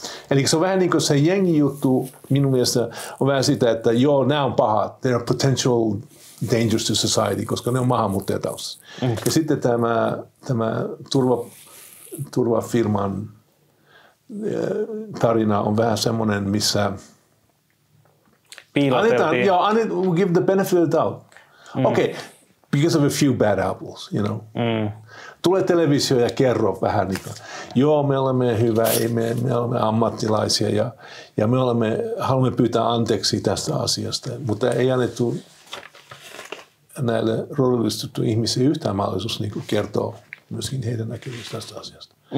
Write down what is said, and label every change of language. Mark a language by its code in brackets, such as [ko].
[fi] Eli se on vähän niin kuin se jengi juttu, minun mielestä on vähän sitä, että joo, nämä on pahat. [en] They are potential dangers to society, [fi] koska ne on maahanmuuttajataustassa. Ja sitten tämä turvafirman tarina on vähän semmoinen, missä piiloteltiin. [en] We'll give the benefit of the doubt. Okay, because of a few bad apples, you know. [fi] Tule televisio ja kerro vähän niitä. Joo, me olemme hyvä, me olemme ammattilaisia ja me olemme, haluamme pyytää anteeksi tästä asiasta. Mutta ei annettu näille rodullistettu ihmisille yhtään mahdollisuus niin kuin kertoa myöskin heidän näkemyksensä tästä asiasta.